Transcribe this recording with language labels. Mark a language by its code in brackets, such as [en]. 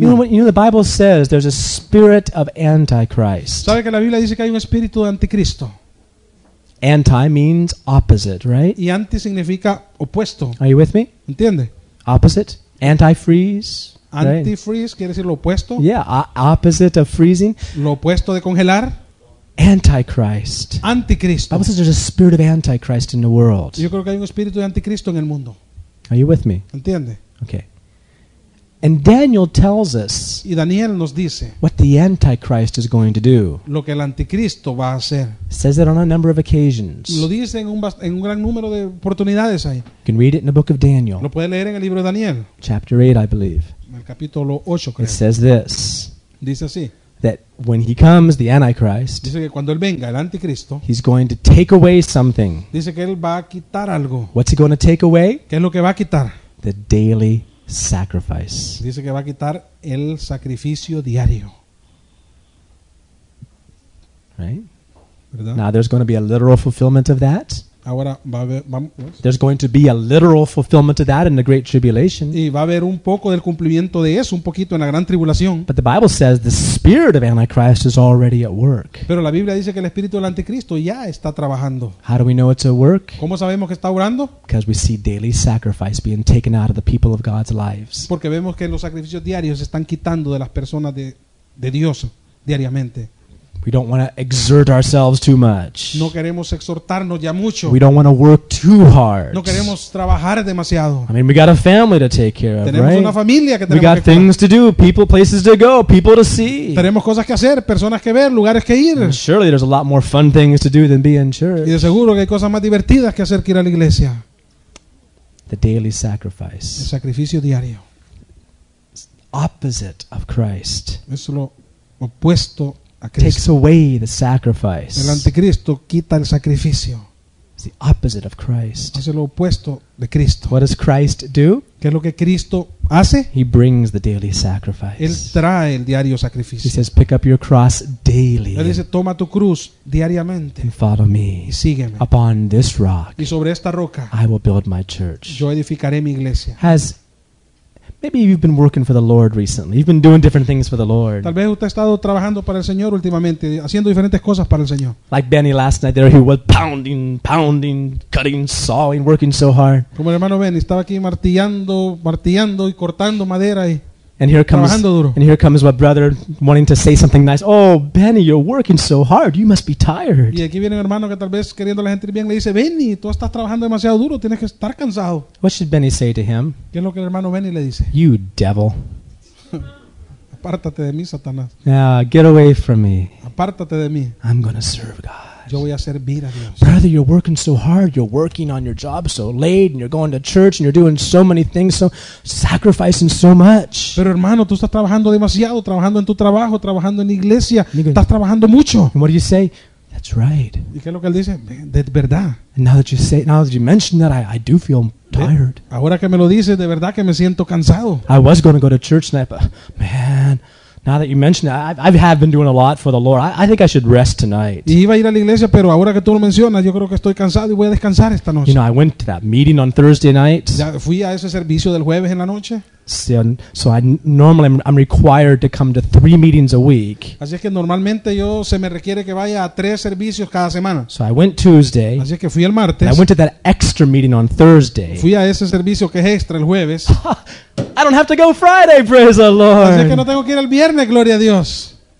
[en] You know the Bible says there's a spirit of Antichrist. [es] ¿Sabe que la Biblia dice que hay un espíritu de anticristo? [en] Anti means opposite, right? [es] Y anti significa opuesto. [en] Are you with me? [es] ¿Entiende? [en] Opposite. Antifreeze. Antifreeze, right? [es] Quiere decir lo opuesto. [en] Yeah, opposite of freezing. [es] Lo opuesto de congelar. [en] Antichrist. [es] Anticristo. [en] The Bible says there's a spirit of Antichrist in the world. [es] Yo creo que hay un espíritu de anticristo en el mundo. [en] Are you with me? [es] ¿Entiende? [en] Okay. And Daniel tells us, [es] y Daniel nos dice, [en] what the Antichrist is going to do. [es] Lo que el anticristo va a hacer. [en] Says it on a number of occasions. [es] Lo dice en un gran número de oportunidades ahí. [en] You can read it in the book of Daniel. [es] Lo puede leer en el libro de Daniel. [en] Chapter 8, I believe. [es] En el capítulo 8, creo. [en] It says this. [es] Dice así. [en] That when he comes, the Antichrist, [es] dice que cuando él venga, el anticristo, [en] he's going to take away something. [es] Dice que él va a quitar algo. [en] What's he going to take away? [es] ¿Qué es lo que va a quitar? [en] The daily sacrifice. [es] Dice que va a quitar el sacrificio diario. [en] Right? [es] ¿Verdad? [en] Now there's going to be a literal fulfillment of that. [es] Ahora va a haber, [en] there's going to be a literal fulfillment of that in the great tribulation. [es] Y va a haber un poco del cumplimiento de eso, un poquito en la gran tribulación. [en] But the Bible says the spirit of Antichrist is already at work. [es] Pero la Biblia dice que el espíritu del anticristo ya está trabajando. [en] How do we know it's at work? [es] ¿Cómo sabemos que está obrando? [en] Because we see daily sacrifice being taken out of the people of God's lives. [es] Porque vemos que los sacrificios diarios se están quitando de las personas de Dios diariamente. [en] We don't want to exert ourselves too much. [es] No queremos exhortarnos ya mucho. [en] We don't want to work too hard. [es] No queremos trabajar demasiado. [en] I mean, we got a family to take care of, [es] tenemos [en] right? [es] Una familia que tenemos [en] we got [es] que [en] things to do, people, places to go, people to see. [es] Tenemos cosas que hacer, personas que ver, lugares que ir. [en] And surely there's a lot more fun things to do than be in church. [es] Y de seguro que hay cosas más divertidas que hacer que ir a la iglesia. [en] The daily sacrifice. [es] El sacrificio diario. [en] Opposite of Christ. [es] Es lo opuesto. [en] Takes away the sacrifice. [es] El anticristo quita el sacrificio. [en] It's the opposite of Christ. [es] Hace lo opuesto de Cristo. [en] What does Christ do? [es] ¿Qué es lo que Cristo hace? [en] He brings the daily sacrifice. [es] Él trae el diario sacrificio. [en] He says, pick up your cross daily. [es] Él dice, toma tu cruz diariamente. [en] And follow me. [es] Y sígueme. [en] Upon this rock. [es] Y sobre esta roca. [en] I will build my church. [es] Yo edificaré mi iglesia. [en] Has Maybe you've been working for the Lord recently. You've been doing different things for the Lord. [es] Tal vez usted ha estado trabajando para el Señor últimamente, haciendo diferentes cosas para el Señor. [en] Like Benny last night, there he was pounding, cutting, sawing, working so hard. [es] Como el hermano Benny estaba aquí martillando y cortando madera y [en] And here comes my brother wanting to say something nice. Oh, Benny, you're working so hard. You must be tired. [es] Y aquí viene un hermano que tal vez queriendo la gente bien le dice, Benny, tú estás trabajando demasiado duro. Tienes que estar cansado. [en] What should Benny say to him? [es] ¿Qué es lo que el hermano Benny le dice? [en] You devil. [es] Apártate de mí, Satanás. [en] Yeah, get away from me. [es] Apártate de mí. [en] I'm going to serve God. [es] Yo voy a servir a Dios. [en] Brother, you're working so hard. You're working on your job so late, and you're going to church, and you're doing so many things, so sacrificing so much. [es] Pero hermano, tú estás trabajando demasiado, trabajando en tu trabajo, trabajando en iglesia. Estás trabajando mucho. [en] And what do you say? That's right. [es] ¿Y qué es lo que él dice? De verdad. [en] And now that you mention that, I do feel tired. [es] Ahora que me lo dices, de verdad que me siento cansado. [en] I was going to go to church tonight, but man. Now that you mention it, I have been doing a lot for the Lord. I think I should rest tonight. [es] Y iba a ir a la iglesia, pero ahora que tú lo mencionas, yo creo que estoy cansado y voy a descansar esta noche. [en] You know, I went to that meeting on Thursday night. [es] Ya fui a ese servicio del jueves en la noche. [en] So I normally I'm required to come to 3 meetings a week. [es] Así es que normalmente yo se me requiere que vaya a 3 servicios cada semana. [en] So I went Tuesday. [es] Así es que fui el martes. [en] And I went to that extra meeting on Thursday. [es] Fui a ese servicio que es extra el jueves. [en] I don't have to go Friday, praise the Lord. [es] Así es que no tengo que ir el viernes, gloria a Dios.